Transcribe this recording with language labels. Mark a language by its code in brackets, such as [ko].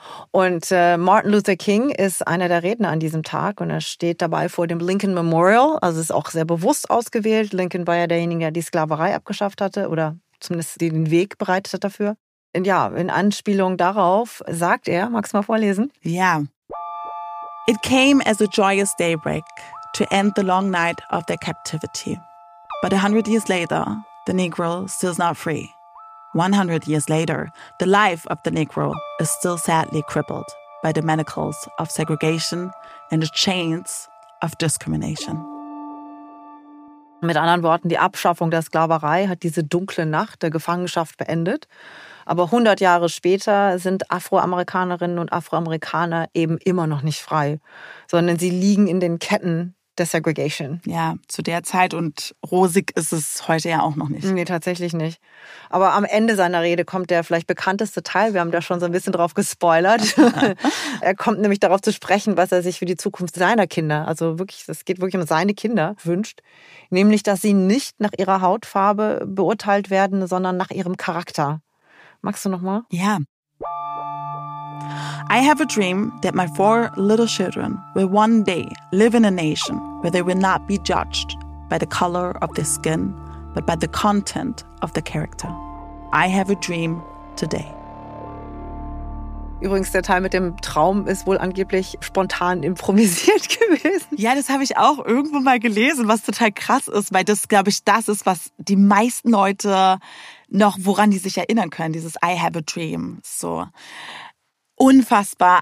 [de] Und Martin Luther King ist einer der Redner an diesem Tag und er steht dabei vor dem Lincoln Memorial, also ist auch sehr bewusst ausgewählt. Lincoln war ja derjenige, der die Sklaverei abgeschafft hatte oder zumindest den Weg bereitet hat dafür. Und ja, in Anspielung darauf sagt er, magst du mal vorlesen? Ja. [en] It came as a joyous daybreak to end the long night of their captivity. But 100 years later, the Negro still is not free. 100 years later, the life of the Negro is still sadly crippled by the manacles of segregation and the chains of discrimination. [de] Mit anderen Worten, die Abschaffung der Sklaverei hat diese dunkle Nacht der Gefangenschaft beendet. Aber 100 Jahre später sind Afroamerikanerinnen und Afroamerikaner eben immer noch nicht frei, sondern sie liegen in den Ketten der Segregation. Ja, zu der Zeit und rosig ist es heute ja auch noch nicht. Nee, tatsächlich nicht. Aber am Ende seiner Rede kommt der vielleicht bekannteste Teil. Wir haben da schon so ein bisschen drauf gespoilert. Er kommt nämlich darauf zu sprechen, was er sich für die Zukunft seiner Kinder, also wirklich, es geht wirklich um seine Kinder, wünscht. Nämlich, dass sie nicht nach ihrer Hautfarbe beurteilt werden, sondern nach ihrem Charakter. Magst du nochmal? Ja. [en] I have a dream that my four little children will one day live in a nation where they will not be judged by the color of their skin, but by the content of their character. I have a dream today. [de] Übrigens, der Teil mit dem Traum ist wohl angeblich spontan improvisiert gewesen. Ja, das habe ich auch irgendwo mal gelesen, was total krass ist, weil das, glaube ich, das ist, was die meisten Leute noch, woran die sich erinnern können, dieses [en] I have a dream, [de] so. Unfassbar.